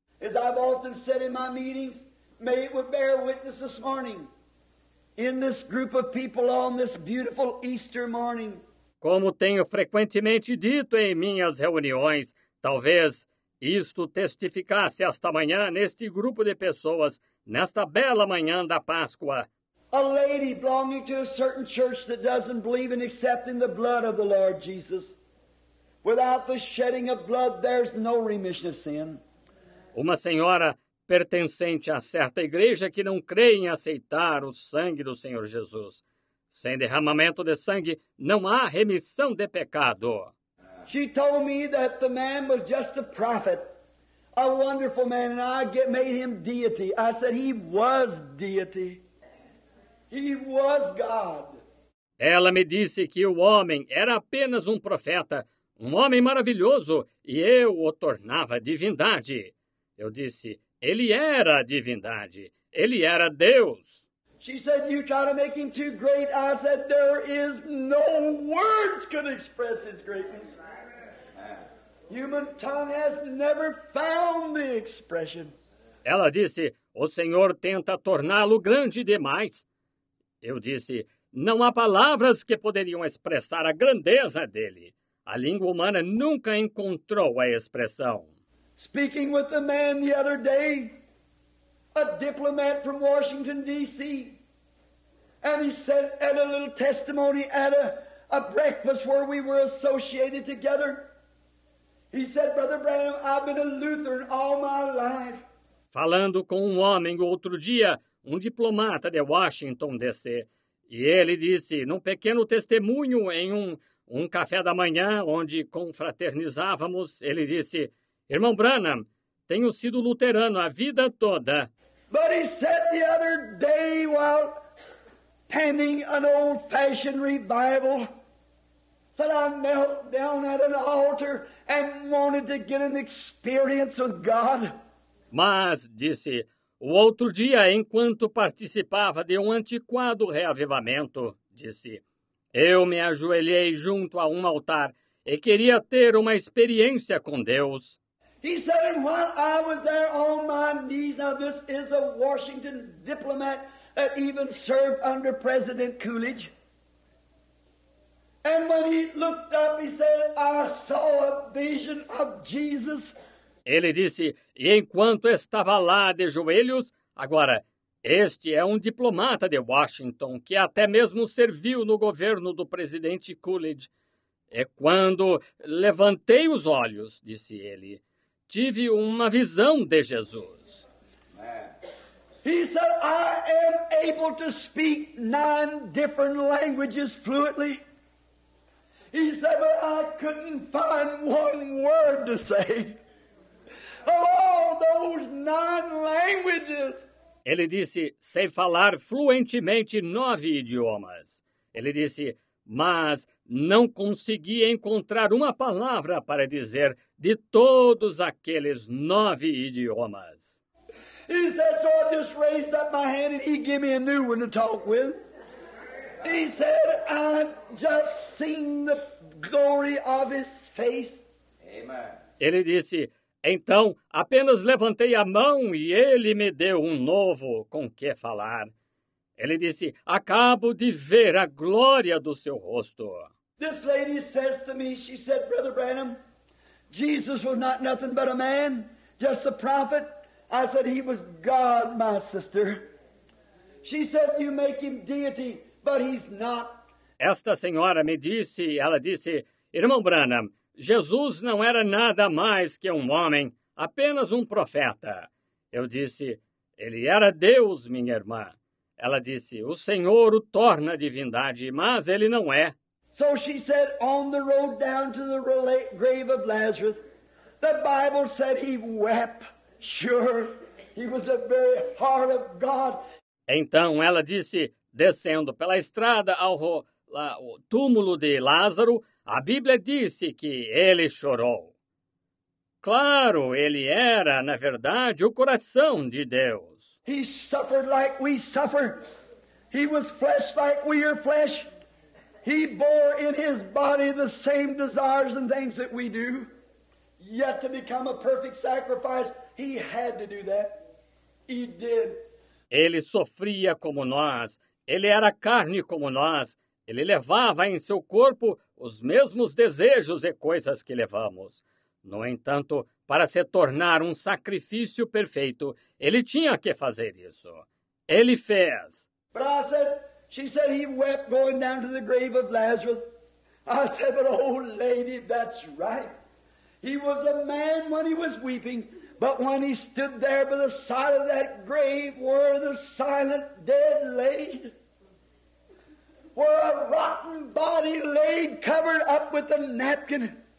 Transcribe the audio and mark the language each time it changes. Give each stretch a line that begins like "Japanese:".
English: As I've often said in my meetings, may it would bear witness this morning, in this group of people on this beautiful Easter morning.
Portuguese: Como tenho frequentemente dito em minhas reuniões, talvez isto testificasse esta manhã neste grupo de pessoas, nesta bela manhã da Páscoa.
English: A lady belonging to a certain church that doesn't believe in accepting the blood of the Lord Jesus. Without the shedding of blood, there's no remission of sin.
Portuguese: Uma senhora pertencente a certa igreja que não crê em aceitar o sangue do Senhor Jesus. Sem derramamento de sangue, não há remissão de pecado.
English: She told me that the man was just a prophet, a wonderful man, and I made him deity. I said he was deity. He was God.
Portuguese: Ela me disse que o homem era apenas um profeta, um homem maravilhoso, e eu o tornava divindade. Eu disse, ele era a divindade, ele era Deus.
English: She said, you try to make him too great. I said, there is no words can express his greatness. Human tongue has never found the expression.
Portuguese: Ela disse, o Senhor tenta torná-lo grande demais. Eu disse, não há palavras que poderiam expressar a grandeza dele. A língua humana nunca encontrou a expressão.
English: Speaking with the man the other day, a diplomat from Washington, D.C., and he said at a little testimony at a breakfast where we were associated together, he said, Brother Branham, I've been a Lutheran all my life.
Portuguese: Falando com um homem outro dia, um diplomata de Washington, D.C., e ele disse, num pequeno testemunho em um café da manhã, onde confraternizávamos, ele disse, Irmão Branham, tenho sido luterano a vida toda.
English: But he said the other day while handing an old-fashioned revival, said I knelt down at an altar and wanted to get an experience with God.
Portuguese: Mas, disse, o outro dia, enquanto participava de um antiquado reavivamento, disse, eu me ajoelhei junto a um altar e queria ter uma experiência com Deus.
English: He said, and while I was there on my knees, now this is a Washington diplomat that even served under President Coolidge. And when he looked up, he said, I saw a vision of Jesus.
Portuguese: Ele disse, e enquanto estava lá de joelhos, agora, este é um diplomata de Washington que até mesmo serviu no governo do presidente Coolidge. E quando levantei os olhos, disse ele, tive uma visão de Jesus.
English: He said, I am able to speak 9 different languages fluently. He said, but I couldn't find one word to say. Of all those 9 languages.
Portuguese: Ele disse, sei falar fluentemente 9 idiomas. Ele disse, mas não consegui encontrar uma palavra para dizer de todos aqueles 9 idiomas.
English: He said, so I just raised up my hand and he gave me a new one to talk with. He said, I've just seen the glory of his face. Amen.
Portuguese: Ele disse, então apenas levantei a mão e ele me deu um novo com que falar. Ele disse, acabo de ver a glória do seu rosto.
English: This lady says to me, she said, Brother Branham, Jesus was not nothing but a man, just a prophet. I said, he was God, my sister. She said, you make him deity, but he's not.
Portuguese: Esta senhora me disse, ela disse, Irmão Branham, Jesus não era nada mais que um homem, apenas um profeta. Eu disse, ele era Deus, minha irmã. Ela disse, o Senhor o torna divindade, mas ele não é.
English: So she said, on the road down to the grave of Lazarus, the Bible said he wept. Sure, he was the very heart of God.
Portuguese: Então ela disse, descendo pela estrada ao túmulo de Lázaro, a Bíblia disse que ele chorou. Claro, ele era, na verdade, o coração de Deus.
English: He suffered like we suffer. He was flesh like we are flesh. He bore in his body the same desires and things that we do. Yet to become a perfect sacrifice, he had to do that. He did.
Portuguese: Ele sofria como nós. Ele era carne como nós. Ele levava em seu corpo os mesmos desejos e coisas que levamos. No entanto, para se tornar um sacrifício perfeito, ele tinha que fazer isso. Ele fez.
English: But I said, she said he wept going down to the grave of Lazarus. I said, but old lady, that's right. He was a man when he was weeping. But when he stood there by the side of that grave where the silent dead laid, where a rotten body laid covered up with a napkin.